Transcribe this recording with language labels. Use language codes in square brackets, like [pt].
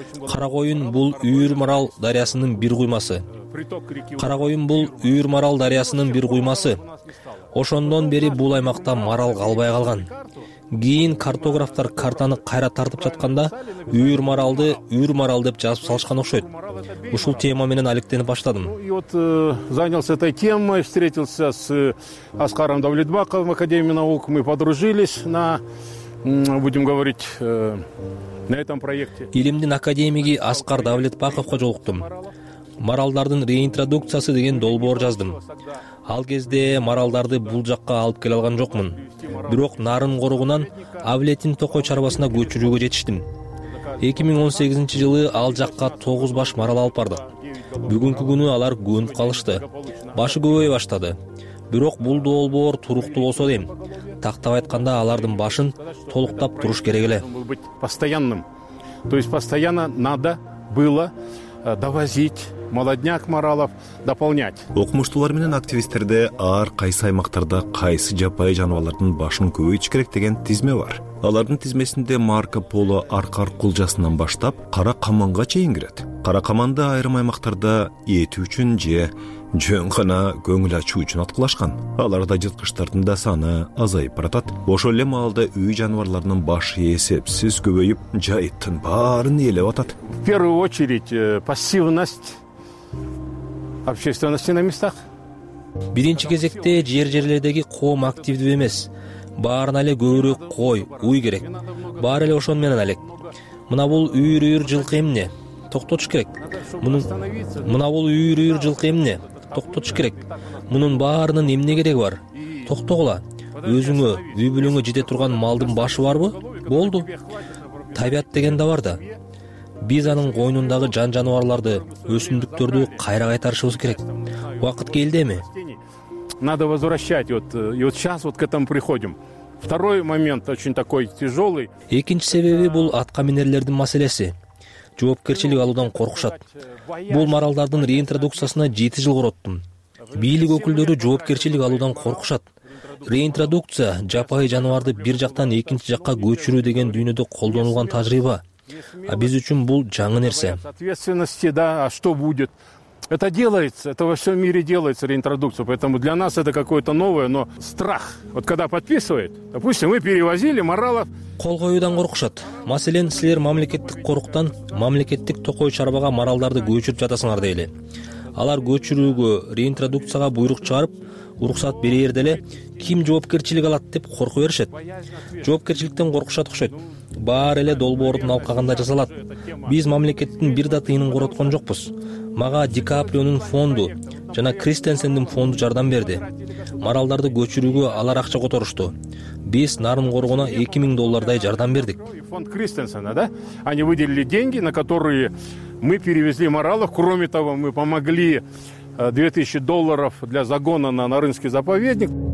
[ky] Кара коюн бул үйүр марал дарыясынын бир куймасы. Кара коюн бул үйүр марал дарыясынын бир куймасы. Ошондон бери бул аймакта марал калбай калган. Кийин картографтар картаны кайра тартып жатканда үйүр маралды үйүр марал деп жазып салышкан окшойт. Ушул тема менен алектенип баштадым. [ru] Занялся этой темой, встретился с Аскаром Давлетбаковым, Академией наук. Мы подружились на, будем говорить, на этом проекте. [ky] Илимдин академиги Аскар Давлетбаковго жолуктум. Маралдардын реинтродукциясы деген долбоор жаздым. Ал кезде маралдарды бул жакка алып келе алган жокмун. Бирок Нарын коругунан Авлетин токой чарбасына көчүрүүгө жетиштим. 2018 жылы ал жакка 9 баш марал алып бардык. Бүгүнкү күнү алар көнүп калышты. Башы көбөйө баштады. Бирок бул долбоор туруктуу болсо дейм. Тактап айтканда алардын башын толуктап туруш керек эле. [ru] Постоянным. То есть постоянно надо было довозить молодняк маралов, дополнять. [ky] Окумуштуулар менен активисттерде ар кайсы аймактарда кайсы жапайы жаныбарлардын башын көбөйтүш керек деген тизме бар. Алардын тизмесинде Марко Поло аркар кулжасынан баштап кара каманга чейин кирет. Кара каманды айрым аймактарда эти үчүн же жөн гана көңүл ачуу үчүн аткылашкан. Аларда жыткычтардын да саны азайып баратат. Ошол эле маалда үй жаныбарларынын башы эсепсиз көбөйүп, жайыттын баарын ээлеп атат. [ru] В первую очередь пассивность общественности на местах. [ky] Биринчи кезекте жер жерлердеги коом активдүү эмес. Баарына эле көбүрөөк кой, уй керек. Баары эле ошону менен алек. Мына бул үйүр-үйүр жылкы эмне? Токтотуш керек. Мына бул үйүр-үйүр жылкы эмне? Токтотуш керек. Мунун баарынын эмне кереги бар? Токтогула. Өзүңө, үй бүлөңө жете турган малдын башы барбы? Болду. Табият деген да бар да. Биз анын койнундагы жан жаныбарларды, өсүмдүктөрдү кайра кайтарышыбыз керек. Убакыт келди эми. [ru] Надо возвращать вот сейчас вот к этому приходим. Второй момент очень такой тяжёлый. [ky] Экинчи себеби бул атка минерлердин маселеси. Жоопкерчилик алуудан коркушат. Бул маралдардын реинтродукциясына 7 жыл короттум. Бийлик өкүлдөрү жоопкерчилик алуудан коркушат. Реинтродукция жапайы жаныбарды бир жактан экинчи жакка көчүрүү деген дүйнөдө колдонулган тажрыйба. А биз үчүн бул жаңы нерсе. [ru] Ответственности, да, а что будет? Это делается, это во всём мире делается реинтродукция, поэтому для нас это какое-то новое, но страх. Вот когда подписывает, допустим, мы перевозили маралов. [ky] Кол коюудан коркушат. Маселен, силер мамлекеттик коруктан мамлекеттик токой чарбага маралдарды көчүрүп жатасыңар дейли. Алар көчүрүүгө, реинтродукцияга буйрук чыгарып, уруксат берер деле ким жоопкерчилик алат деп коркуп беришет. Жоопкерчиликтен коркушат окшойт. Баары эле долбоордун алкагында жасалат. Биз мамлекеттин бир да тыйынын короткон жокпуз. Мага Ди Каприонун фонду жана Кристенсендин фонду жардам берди. Маралдарды көчүрүүгө алар акча которушту. Биз Нарын коргоуна 2000 доллардай жардам бердик. [ru] Фонд Кристенсена, да? Они выделили деньги, на которые мы перевезли маралов. Кроме того, мы помогли 2000 долларов для загона на Нарынский заповедник.